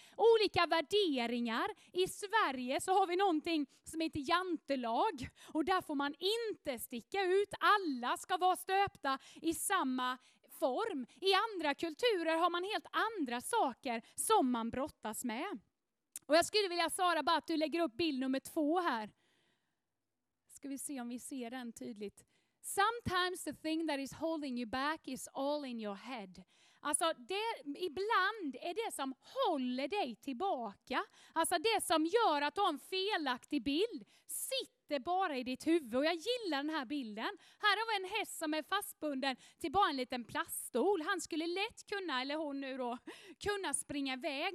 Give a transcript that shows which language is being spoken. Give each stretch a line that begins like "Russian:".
Swedish: Olika värderingar. I Sverige så har vi någonting som heter jantelag och där får man inte sticka ut. Alla ska vara stöpta i samma form. I andra kulturer har man helt andra saker som man brottas med. Och jag skulle vilja, Sara, bara att du lägger upp bild nummer 2 här. Ska vi se om vi ser den tydligt.
English: Sometimes the thing that is holding you back is all in your head.
Swedish: Alltså det, ibland är det som håller dig tillbaka. Alltså det som gör att du har en felaktig bild sitter bara i ditt huvud. Och jag gillar den här bilden. Här har vi en häst som är fastbunden till bara en liten plaststol. Han skulle lätt kunna, eller hon nu då, kunna springa iväg.